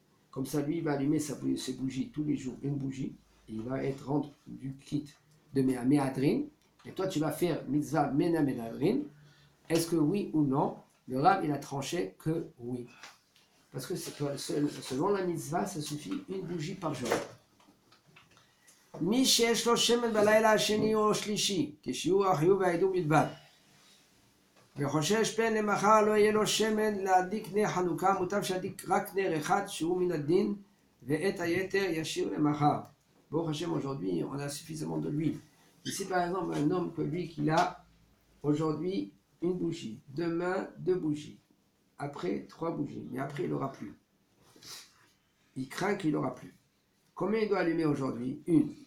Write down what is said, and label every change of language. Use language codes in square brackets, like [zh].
[fr] Comme ça, lui, il va allumer ses bougies tous les jours, une bougie. Il va être rendu quitte de Méhadrine. Et toi, tu vas faire Mitzvah Mena Méhadrine. Est-ce que oui ou non? Le Rav, il a tranché que oui. Parce que selon la Mitzvah, ça suffit une bougie par jour. [he] מי שיש לו שמן בלילה השני או שלישי, כשיעור החיוב והעידור בלבד, וחושש פן למחר לא יהיה לו שמן להדליק נר חנוכה, מוטב שידליק רק נר אחד שהוא מן הדין, ואת היתר ישאיר למחר. ברוך השם, [fr] aujourd'hui, on a suffisamment de l'huile. Ici, par exemple, un homme peut dire qu'il a aujourd'hui une bougie, demain deux bougies, après trois bougies, mais après il n'aura plus. Il craint qu'il n'aura plus. Combien il doit allumer aujourd'hui ? Une.